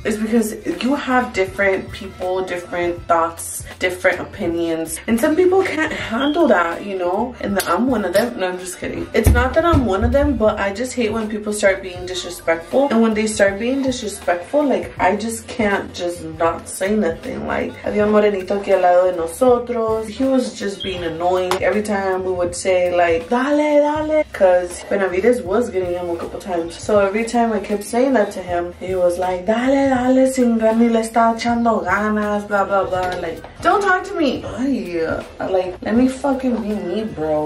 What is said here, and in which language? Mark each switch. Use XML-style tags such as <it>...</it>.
<en>It's because you have different people, different thoughts, different opinions, and some people can't handle that, you know? And I'm one of them. No, I'm just kidding. It's not that I'm one of them, but I just hate when people start being disrespectful. And when they start being disrespectful, like, I just can't just not say nothing.</en> <es>Like, había un morenito aquí al lado de nosotros.</es> <en>He was just being annoying. Every time we would say, like,</en> <es>dale, dale,</es> <en>because Benavides was getting him a couple times. So every time I kept saying that to him, he was like,</en> <es>dale, dale, sin gani le está echando ganas,</es> <en>blah, blah, blah. Like, don't talk to me. Like, let me fucking be me, bro.</en>